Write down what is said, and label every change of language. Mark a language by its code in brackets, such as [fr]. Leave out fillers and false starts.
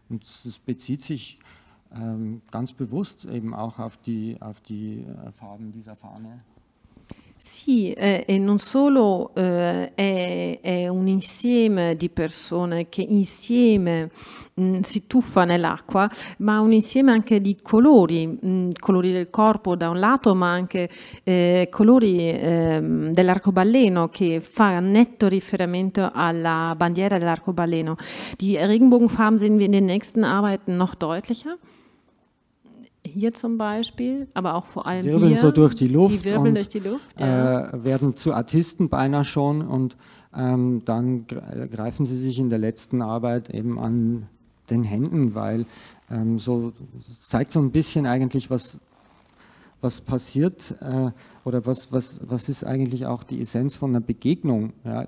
[de] Und es bezieht sich ganz bewusst eben auch auf die Farben dieser Fahne. [it] Sì, e non solo è un insieme di persone che insieme si tuffa nell'acqua, ma un insieme anche di colori, colori del corpo da un lato, ma anche colori dell'arcobaleno, che fa netto riferimento alla bandiera dell'arcobaleno. [de] Die Regenbogenfarben sehen wir in den nächsten Arbeiten noch deutlicher. Hier zum Beispiel, aber auch vor allem wirbeln hier. So durch die Luft, die wirbeln und durch die Luft, ja. Werden zu Artisten beinahe schon, und dann greifen sie sich in der letzten Arbeit eben an den Händen, weil so zeigt so ein bisschen eigentlich, was passiert oder was ist eigentlich auch die Essenz von einer Begegnung. Ja?